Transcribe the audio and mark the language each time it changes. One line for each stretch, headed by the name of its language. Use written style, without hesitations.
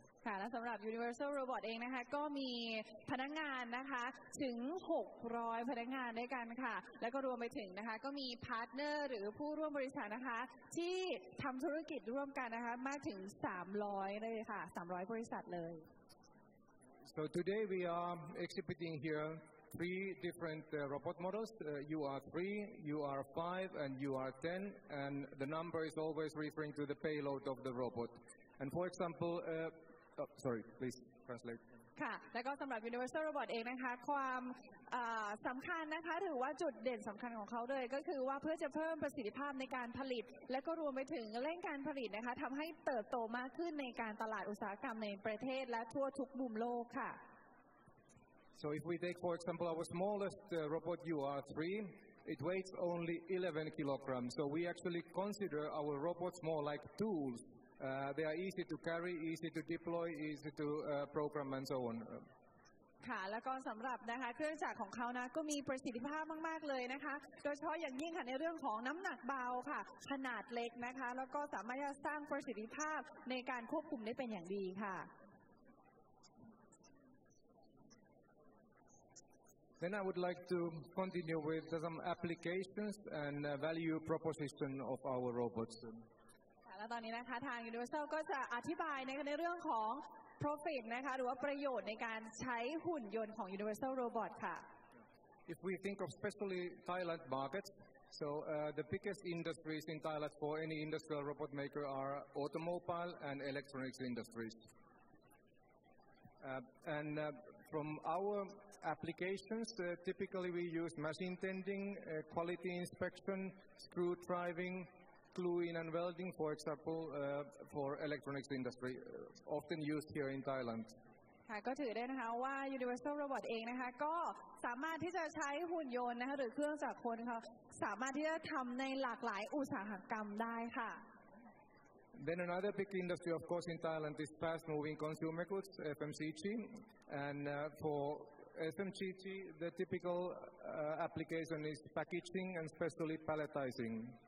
Thai: ค่ะและสำหรับ Universal Robot เองนะคะก็มีพนักงานนะคะถึง600พนักงานด้วยกันค่ะแล้วก็รวมไปถึงนะคะก็มีพาร์ทเนอร์หรือผู้ร่วมบริษัทนะคะที่ทำธุรกิจร่วมกันนะคะมากถึง300เลยค่ะ300บริษัทเลย
English: So today we are exhibiting here3 different robot models, UR3, UR5, and UR10, and the number is always referring to the payload of the robot. And for example, please translate.
Thai: ค่ะแล้วก็สำหรับ Universal Robot เองนะคะความสำคัญนะคะหรือว่าจุดเด่นสำคัญของเขาเลยก็คือว่าเพื่อจะเพิ่มประสิทธิภาพในการผลิตและก็รวมไปถึงเร่งการผลิตนะคะทำให้เติบโตมากขึ้นในการตลาดอุตสาหกรรมในประเทศและทั่วทุกมุมโลกค่ะ
English: So if we take for example our smallest robot UR3 it weighs only 11 kilograms so we actually consider our robots more like toolsthey are easy to carry, easy to deploy, easy to program and so on.
Thai: ค่ะแล้วก็สำหรับนะคะเครื่องจักรของเขานะก็มีประสิทธิภาพมากๆเลยนะคะโดยเฉพาะอย่างยิ่งค่ะในเรื่องของน้ำหนักเบาค่ะขนาดเล็กนะคะแล้วก็สามารถสร้างประสิทธิภาพในการควบคุมได้เป็นอย่างดีค่ะ
English: Then I would like to continue with some applications and value proposition of our robots.
Thai: แล้วตอนนี้นะคะทาง Universal ก็จะอธิบายในเรื่องของ profit นะคะหรือว่าประโยชน์ในการใช้หุ่นยนต์ของ Universal Robot ค่ะ
English: If we think of especially Thailand markets so the biggest industries in Thailand for any industrial robot maker are automobile and electronics industries and from our applications typically we use machine tending quality inspection screw driving gluing and welding, for example, for electronics industry, often used here in Thailand.
Thai: ค่ะก็ถือได้นะคะว่า Universal Robot เองนะคะก็สามารถที่จะใช้หุ่นยนต์นะคะหรือเครื่องจักรคนค่ะสามารถที่จะทำในหลากหลายอุตสาหกรรมได้ค่ะ
English: Then another big industry, of course, in Thailand is fast-moving consumer goods, FMCG. And for FMCG, the typical application is packaging and especially palletizing.